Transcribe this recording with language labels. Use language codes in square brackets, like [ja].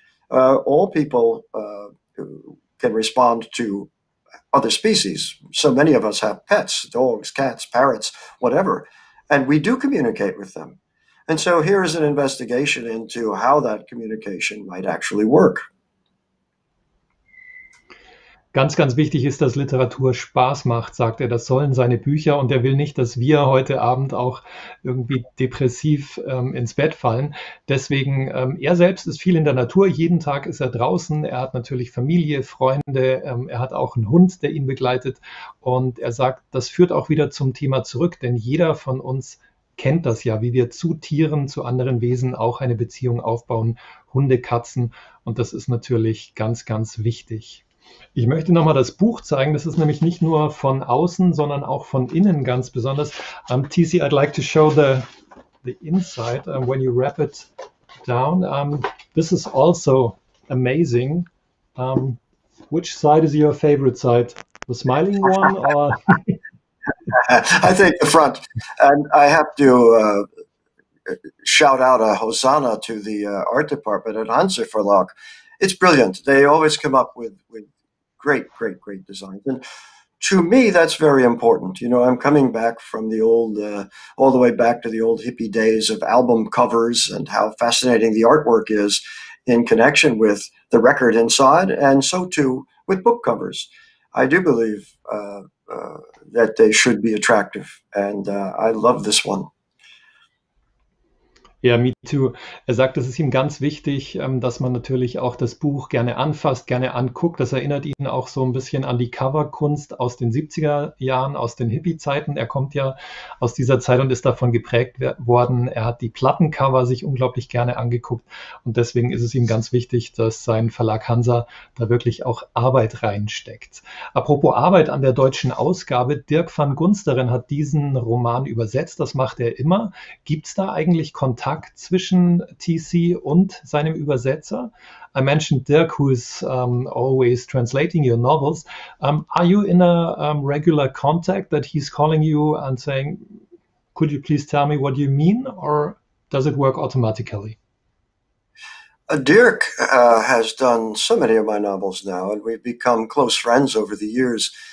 [en] All people can respond to other species. So many of us have pets, dogs, cats, parrots, whatever, and we do communicate with them. And so here is an investigation into how that communication might actually work. [de] Ganz, ganz wichtig ist, dass Literatur Spaß macht, sagt er. Das sollen seine Bücher und er will nicht, dass wir heute Abend auch irgendwie depressiv ins Bett fallen. Deswegen, er selbst ist viel in der Natur. Jeden Tag ist er draußen. Er hat natürlich Familie, Freunde. Er hat auch einen Hund, der ihn begleitet. Und er sagt, das führt auch wieder zum Thema zurück, denn jeder von uns kennt das ja, wie wir zu Tieren, zu anderen Wesen auch eine Beziehung aufbauen. Hunde, Katzen. Und das ist natürlich ganz, ganz wichtig. Ich möchte nochmal das Buch zeigen. Das ist nämlich nicht nur von außen, sondern auch von innen ganz besonders. [en] TC, I'd like to show the inside when you wrap it down. This is also amazing. Which side is your favorite side? The smiling one or? I think the front, and I have to shout out a Hosanna to the art department at Hansa Verlag. It's brilliant. They always come up with great, great, great designs, and to me, that's very important. I'm coming back from the old, all the way back to the old hippie days of album covers and how fascinating the artwork is. in connection with the record inside, and so too with book covers. I do believe that they should be attractive, and I love this one. Ja, me too. [de] Er sagt, es ist ihm ganz wichtig, dass man natürlich auch das Buch gerne anfasst, gerne anguckt. Das erinnert ihn auch so ein bisschen an die Coverkunst aus den 70er Jahren, aus den Hippie-Zeiten. Er kommt ja aus dieser Zeit und ist davon geprägt worden. Er hat die Plattencover sich unglaublich gerne angeguckt. Und deswegen ist es ihm ganz wichtig, dass sein Verlag Hansa da wirklich auch Arbeit reinsteckt. Apropos Arbeit an der deutschen Ausgabe. Dirk van Gunsteren hat diesen Roman übersetzt. Das macht er immer. Gibt es da eigentlich Kontakt zwischen TC und seinem Übersetzer? [en] I mentioned Dirk, who's always translating your novels. Are you in a regular contact that he's calling you and saying, could you please tell me what you mean, or does it work automatically? Dirk has done so many of my novels now, and we've become close friends over the years.